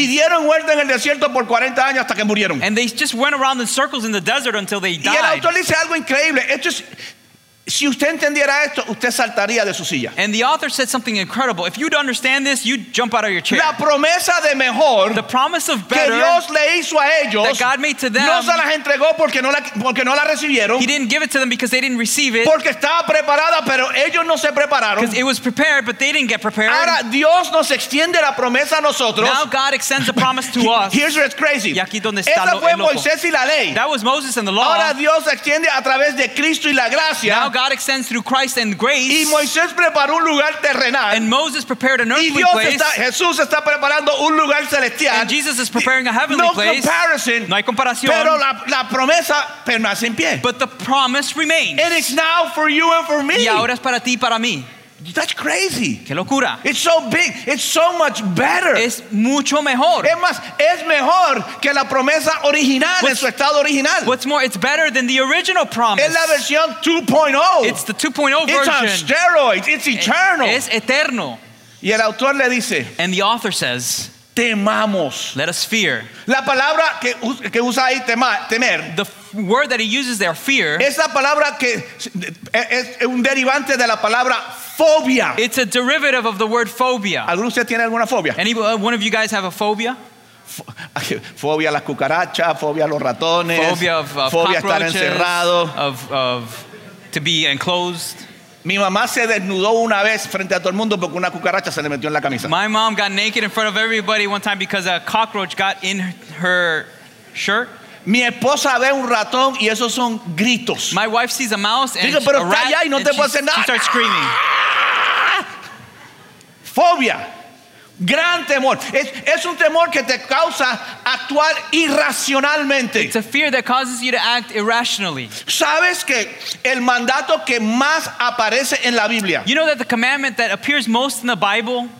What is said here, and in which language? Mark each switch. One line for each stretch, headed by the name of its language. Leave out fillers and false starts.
Spanish: Y dieron vuelta en el desierto por 40 años hasta que murieron.
English: And they just went around in circles in the desert until they died.
Spanish: Y el autor dice algo increíble. Esto es Si usted entendiera esto, usted saltaría de su silla.
English: And the author said something incredible. If you'd understand this, you'd jump out of your chair.
Spanish: La promesa de mejor,
English: the promise of better,
Spanish: que Dios le hizo a ellos,
English: that God made to them,
Spanish: no se las entregó porque no la recibieron.
English: He didn't give it to them because they didn't receive it.
Spanish: Porque estaba preparada, pero ellos no se prepararon.
English: Because it was prepared, but they didn't get prepared.
Spanish: Ahora Dios nos extiende la promesa a nosotros.
English: Now God extends the promise to us. Here's what's crazy.
Spanish: Y aquí donde está esa fue el Moisés y la ley.
English: That was Moses and the law.
Spanish: Ahora Dios extiende a través de Cristo y la gracia.
English: Now God extends through Christ and grace.
Spanish: Y Moisés preparó un lugar terrenal.
English: And Moses prepared an earthly
Spanish: y Dios
English: place.
Spanish: Está, Jesús está preparando un lugar celestial.
English: And Jesus is preparing a heavenly
Spanish: no
English: place. Comparison,
Spanish: no hay comparación. Pero la promesa permanece en pie.
English: But the promise remains. And it's now for you and for me.
Spanish: Y ahora es para ti y para mí.
English: That's crazy.
Spanish: Qué locura.
English: It's so big. It's so much better.
Spanish: Es mucho mejor. Es más, es mejor que la promesa original en su estado original.
English: What's more, it's better than the original promise.
Spanish: Es la versión 2.0.
English: It's the 2.0 version. It's on steroids. It's eternal.
Spanish: Es eterno. Y el autor le dice,
English: and the author says,
Spanish: temamos.
English: Let us fear.
Spanish: La palabra que usa ahí, temer.
English: The word that he uses there, fear.
Spanish: Es la palabra que es un derivante de la palabra fobia.
English: It's a derivative of the word phobia.
Spanish: ¿Alguno de ustedes tiene alguna fobia?
English: One of you guys have a phobia?
Spanish: Fobia a las cucarachas, fobia a los ratones,
English: phobia of cockroaches,
Spanish: fobia a estar encerrado,
English: of to be enclosed.
Spanish: Mi mamá se desnudó una vez frente a todo el mundo porque una cucaracha se le metió en la camisa.
English: My mom got naked in front of everybody one time because a cockroach got in her shirt.
Spanish: Mi esposa ve un ratón y esos son gritos.
English: My wife sees a mouse and
Spanish: digo, pero
English: a rat,
Spanish: está allá y no te puedo hacer nada.
English: She starts screaming.
Spanish: Fobia. Gran temor. Es un temor que te causa actuar irracionalmente.
English: It's a fear that causes you to act irrationally.
Spanish: ¿Sabes que el mandato que más aparece en la Biblia?
English: You know that the commandment that appears most in the Bible?